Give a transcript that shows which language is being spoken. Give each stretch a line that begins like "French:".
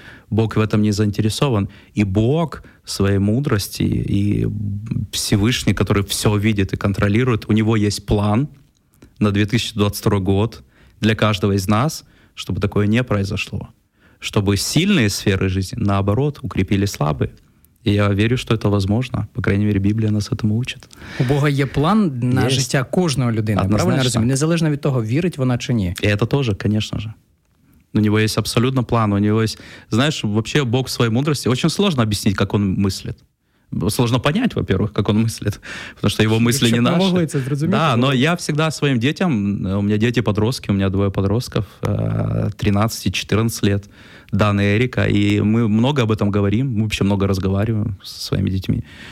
Russian: Бог в этом не заинтересован. И Бог своей мудрости и Всевышний, который все видит и контролирует, у него есть план на 2022 год для каждого из нас, чтобы такое не произошло. Чтобы сильные сферы жизни, наоборот, укрепили слабые. И я верю, что это возможно. По крайней мере, Библия нас этому учит.
Ukrainian: У Бога є план на есть. Життя кожної людини. Правильно розумію? Незалежно від того, вірить вона чи ні. І це теж, звісно ж. У нього є абсолютно план. У нього є, знаєш, взагалі Бог в своїй мудрості. Дуже складно об'яснити, як він мислить.
Russian: Сложно понять, во-первых, как он мыслит, потому что его мысли не наши. Могли это разуметь, да, но я всегда своим детям, у меня дети-подростки, у меня двое подростков, 13-14 лет, Дан и Эрика, и мы много об этом говорим, мы вообще много разговариваем со своими детьми.